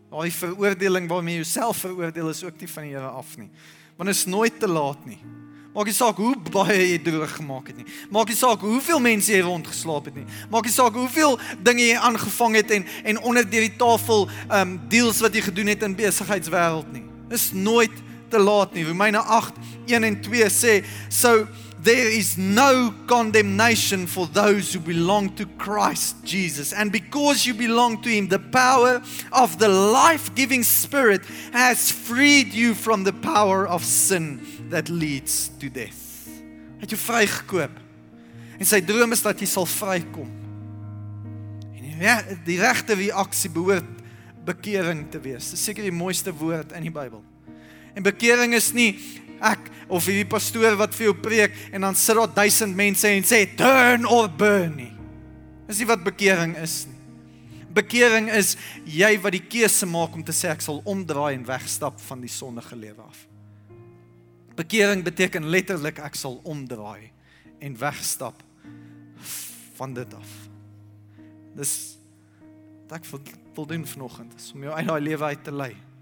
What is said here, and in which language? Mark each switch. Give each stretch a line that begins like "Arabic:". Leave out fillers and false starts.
Afrikaans: Daardie veroordeling waarmee jy jouself veroordeel is ook nie van die Here af nie. Want is nooit te laat nie. Maak nie saak hoe baie jy droog gemaak het nie. Maak nie saak hoeveel mense jy rondgeslaap het nie. Maak nie saak hoeveel dinge jy aangevang het en onder die tafel deals wat jy gedoen het in besigheidswereld nie. Is nooit te laat nie. Romeine 8:1-2 sê,
English: so there is no condemnation for those who belong to Christ Jesus. And because you belong to him, the power of the life-giving spirit has freed you from the power of sin that leads to death.
Afrikaans: Het jou vrygekoop. En sy droom is dat jy sal vrykom. En die regte reaksie behoort bekering te wees. Dit is seker die mooiste woord in die Bybel. En bekering is nie ek of hierdie pastoor wat vir jou preek en dan sit daar 1000 mense en sê
English: turn or burn
Afrikaans: nie. Dis nie wat bekering is nie. Bekering is jy wat die keuse maak om te sê ek sal omdraai en wegstap van die sondige lewe af. Bekering beteken letterlik ek sal omdraai en wegstap van dit af. Dis wat ek wil doen vanochtend, is om jou uit die lewe uit te lei.